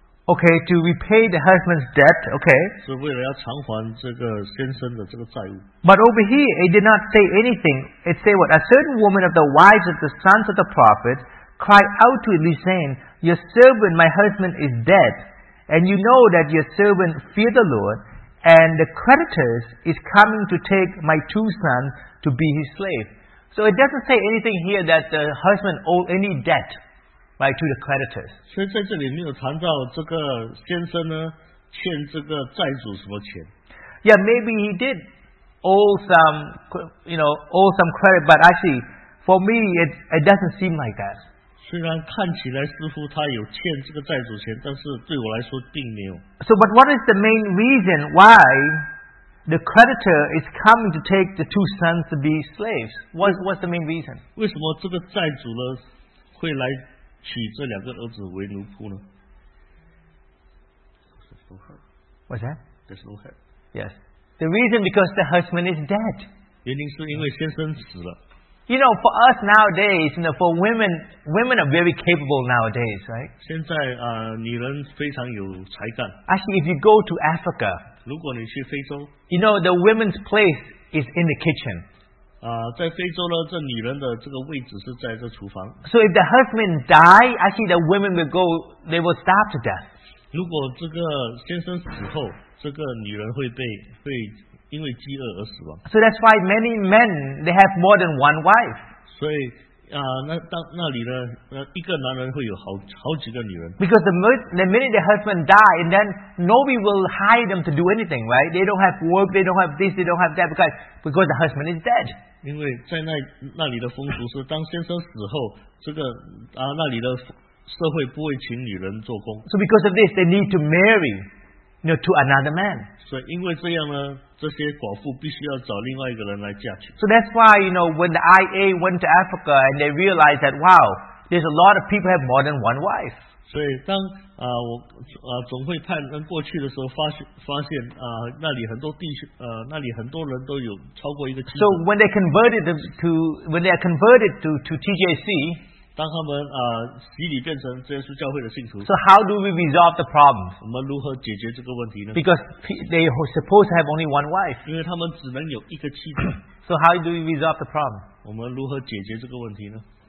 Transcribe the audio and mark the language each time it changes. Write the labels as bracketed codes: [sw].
[en] Okay, to repay the husband's debt. Okay. [zh] 是为了要偿还这个先生的这个债务。 [en] But over here, it did not say anything. It said what? A certain woman of the wives of the sons of the prophet cried out to Elisha, saying, "Your servant, my husband, is dead, and you know that your servant feared the Lord, and the creditors is coming to take my two sons to be his slave." So it doesn't say anything here that the husband owed any debt, right, to the creditors. [zh] 所以在这里没有谈到这个先生呢欠这个债主什么钱。 [en] Yeah, maybe he did owe some, you know, owe some credit, but actually, for me, it doesn't seem like that. [zh] 虽然看起来似乎他有欠这个债主钱，但是对我来说并没有。 [en] So, but what is the main reason why the creditor is coming to take the two sons to be slaves? What's the main reason? [zh] 为什么这个债主呢会来娶这两个儿子为奴仆呢？ [en] What's that? There's no help. Yes. The reason because the husband is dead. [zh] 原因是因为先生死了。 [en] You know, for us nowadays, you know, for women are very capable nowadays, right? [zh] 现在女人非常有才干。 [en] Actually, if you go to Africa, [zh] 如果你去非洲, [en] you know, the women's place is in the kitchen. [zh] 在非洲呢，这女人的这个位置是在这厨房。 [en] So if the husband die, actually the women will go, they will starve to death. [zh] 如果这个先生死后，这个女人会因为饥饿而死亡。 [en] So that's why many men, they have more than one wife. [zh] 所以那里呢，一个男人会有好几个女人。 [en] Because the minute the husband die, and then nobody will hire them to do anything, right? They don't have work, they don't have this, they don't have that, because the husband is dead. [zh] 因为在那里的风俗是，当先生死后，那里的社会不会请女人做工。 [en] So because of this, they need to marry, you know, to another man. [zh] 所以因为这样呢，这些寡妇必须要找另外一个人来嫁去。 [en] So that's why, you know, when the IA went to Africa and they realized that, wow, there's a lot of people have more than one wife. [zh] 所以当总会派人过去的时候发现那里很多人都有超过一个妻子。 [en] So when they converted to TJC, [zh] 当他们洗礼变成耶稣教会的信徒。 [en] So how do we resolve the problem? [zh] 我们如何解决这个问题呢？ [en] Because they are supposed to have only one wife. [zh] 因为他们只能有一个妻子。 [en] So how do we resolve the problem? [zh] 我们如何解决这个问题呢？